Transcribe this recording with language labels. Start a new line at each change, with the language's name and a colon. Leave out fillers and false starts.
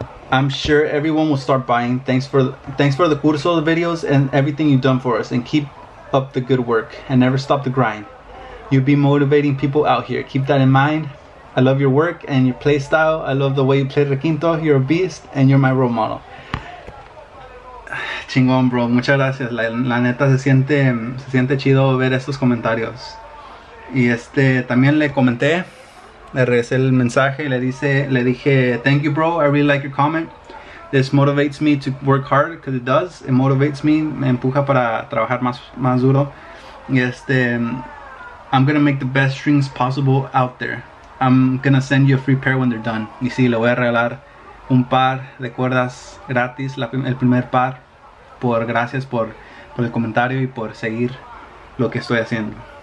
English: I'm sure everyone will start buying. Thanks for the curso, the videos, and everything you've done for us. And keep up the good work and never stop the grind. You'll be motivating people out here. Keep that in mind. I love your work and your play style. I love the way you play requinto. You're a beast and you're my role model.
Spanish: Chingón, bro. Muchas gracias. La neta, se siente chido ver estos comentarios. Y también le comenté, le regresé el mensaje y le dije,
English: thank you, bro. I really like your comment. This motivates me to work hard, because it does. It motivates me.
Spanish: Me empuja para trabajar más duro. Y
English: I'm going to make the best strings possible out there. I'm going to send you a free pair when they're done.
Spanish: Y sí, le voy a regalar un par de cuerdas gratis, el primer par. Gracias por el comentario y por seguir lo que estoy haciendo.